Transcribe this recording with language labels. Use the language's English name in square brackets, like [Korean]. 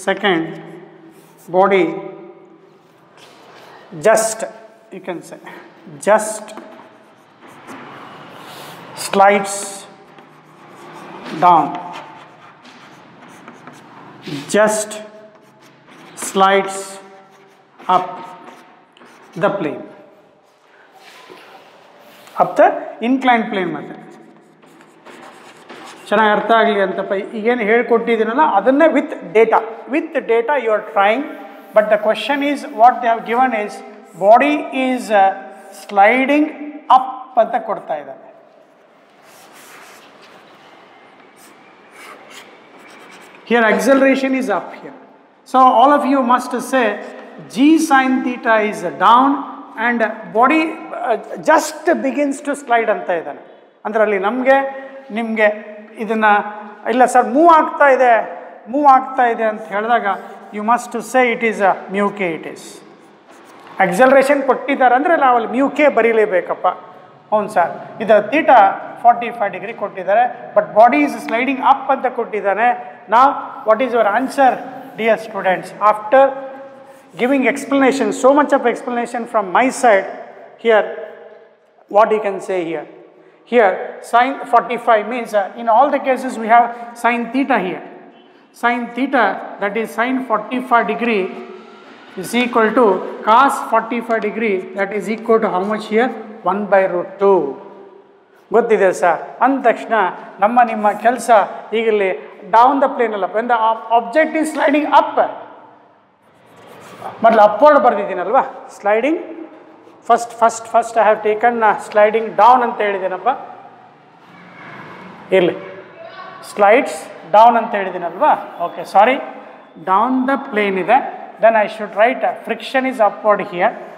[English] second body, just you can say just slides down, just slides up the plane, up the inclined plane method. [Kannada] ಚೆನ್ನಾಗಿ ಅರ್ಥ ಆಗಲಿ ಅಂತಪ್ಪ ಈಗೇನು ಹೇಳ್ಕೊಟ್ಟಿದ್ದೀನಲ್ಲ ಅದನ್ನೇ [English] with data, with data you are trying, but the question is what they have given is body is sliding up [Kannada] ಅಂತ ಕೊಡ್ತಾ ಇದ್ದಾರೆ. [English] here acceleration is up here, so all of you must say g sin theta is down and body just begins to slide [Kannada] ಅಂತ ಇದ್ದಾನೆ. ಅಂದರೆ ಅಲ್ಲಿ ನಮಗೆ ನಿಮಗೆ ಇದನ್ನು ಇಲ್ಲ ಸರ್ ಮೂವ್ ಆಗ್ತಾ ಇದೆ ಮೂವ್ ಆಗ್ತಾ ಇದೆ ಅಂತ ಹೇಳಿದಾಗ [English] you must say it is a mu k, it is acceleration [Kannada] ಕೊಟ್ಟಿದ್ದಾರೆ ಅಂದರೆ ನಾವು ಅಲ್ಲಿ ಮ್ಯೂ ಕೆ ಬರೀಲೇಬೇಕಪ್ಪ. ಹೌದು ಸರ್, ಇದು ಥೀಟಾ 45 degrees ಕೊಟ್ಟಿದ್ದಾರೆ, [English] but body is sliding up [Kannada] ಅಂತ ಕೊಟ್ಟಿದ್ದಾನೆ. [English] ನಾವು what is your answer dear students after giving explanation, so much of explanation from my side here, what you can say here here sin 45 means in all the cases we have sin theta here, sin theta that is sin 45 degree is equal to cos 45 degree that is equal to how much here 1/√2 [Kannada] ಗೊತ್ತಿದೆ sir. ಅಂದ ತಕ್ಷಣ ನಮ್ಮ ನಿಮ್ಮ ಕೆಲಸ ಈಗಲ್ಲಿ [English] down the plane ಅಲ್ಲಪ್ಪ, ಎಂದ object is sliding up, [Kannada] ಮೊದಲು upward ಬರ್ದಿದ್ದೀನಲ್ವಾ [English] sliding, first I have taken sliding down [Kannada] ಅಂತ ಹೇಳಿದ್ದೀನಪ್ಪ, ಇಲ್ಲಿ [English] slides down [Kannada] ಅಂತ ಹೇಳಿದ್ದೀನಲ್ವಾ, [English] okay sorry down the plane ಇದೆ, then I should write friction is upward here